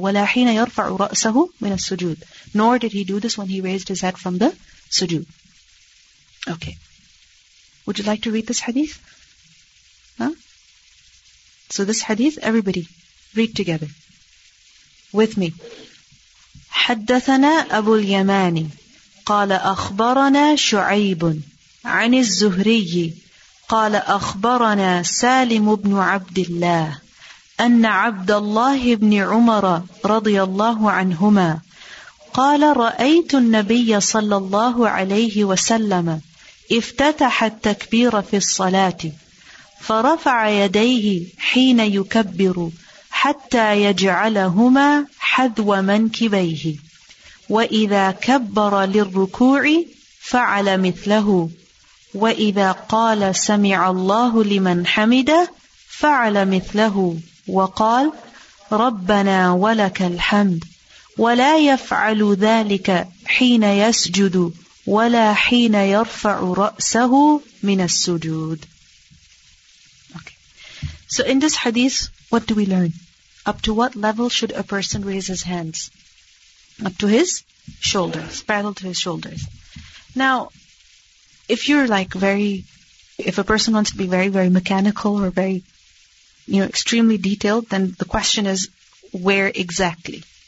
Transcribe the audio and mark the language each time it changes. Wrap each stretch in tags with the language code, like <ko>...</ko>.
<ar>وَلَا حِينَ يَرْفَعُ رَأْسَهُ مِنَ السُّجُودِ,</ar> <en>nor did he do this when he raised his head from the sujood. Okay. Would you like to read this hadith? Huh? So this hadith, everybody, read together with me.</en> <ar>حَدَّثَنَا أَبُو الْيَمَانِ قال أخبرنا شعيب عن الزهري قال أخبرنا سالم بن عبد الله أن عبد الله بن عمر رضي الله عنهما قال رأيت النبي صلى الله عليه وسلم افتتح التكبير في الصلاة فرفع يديه حين يكبر حتى يجعلهما حذو منكبيه وَإِذَا كَبَّرَ لِلْرُكُوعِ فَعَلَ مِثْلَهُ وَإِذَا قَالَ سَمِعَ اللَّهُ لِمَنْ حَمِدَهُ فَعَلَ مِثْلَهُ وَقَالَ رَبَّنَا وَلَكَ الْحَمْدُ وَلَا يَفْعَلُ ذَلِكَ حِينَ يَسْجُدُ ولا حين يرفع رأسه من السجود.</ar> <en>Okay. So in this hadith, what do we learn? Up to what level should a person raise his hands? Up to his shoulders, parallel to his shoulders. Now, if you're like very, if a person wants to be very, very mechanical or very, you know, extremely detailed, then the question is, where exactly?</en>